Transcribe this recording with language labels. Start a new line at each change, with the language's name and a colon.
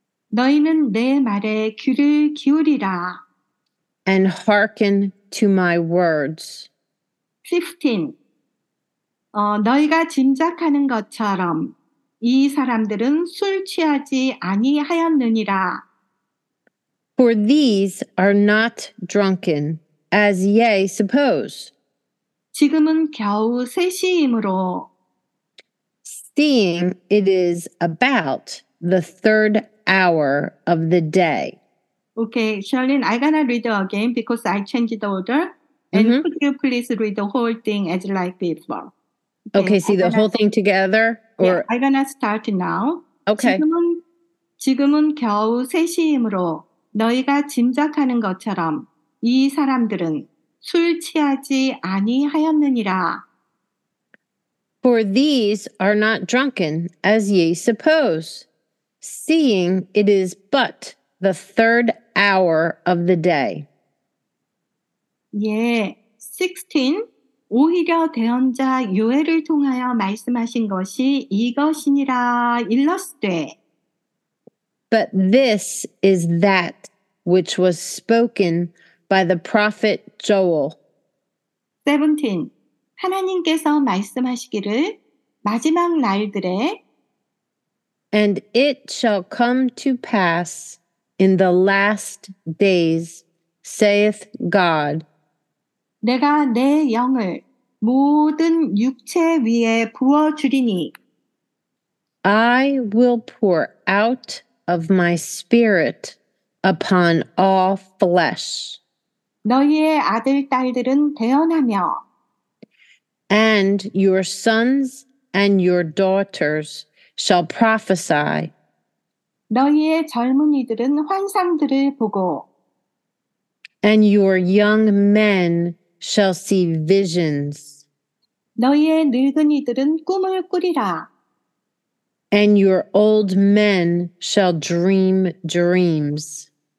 Korean: 너희는 내 말에 귀를 기울이라.
English: And hearken to my words. 15.
Korean: 너희가 짐작하는 것처럼 이 사람들은 술 취하지 아니하였느니라.
English: For these are not drunken, as ye suppose.
Korean: 지금은 겨우 3시이므로.
English: Seeing it is about the third hour of the day. Okay, Charlene, I'm going to read again because I changed the order. And mm-hmm. could you please read the whole thing as like before? Okay, see the whole thing together? Or? Yeah, I'm going to start now. Okay.
Korean: 지금은 겨우 3시이므로 너희가 짐작하는 것처럼 이 사람들은 술 취하지 아니하였느니라.
English: For these are not drunken, as ye suppose, seeing it is but the third hour of the day.
Korean: 예, 16. 오히려 대언자 요엘을 통하여 말씀하신 것이 이것이니라 일렀되.
English: But this is that which was spoken by the prophet Joel. 17.
Korean: 하나님께서 말씀하시기를 마지막 날들에
English: And it shall come to pass in the last days, saith God.
Korean: 내가 내 영을 모든 육체 위에 부어주리니
English: I will pour out of my spirit upon all flesh.
Korean: 너희의 아들, 딸들은 대언하며
English: And your sons and your daughters shall prophesy.
Korean: 너희의 젊은이들은 환상들을 보고
English: And your young men shall see visions.
Korean: 너희의 늙은이들은 꿈을 꾸리라
English: And your old men shall dream dreams.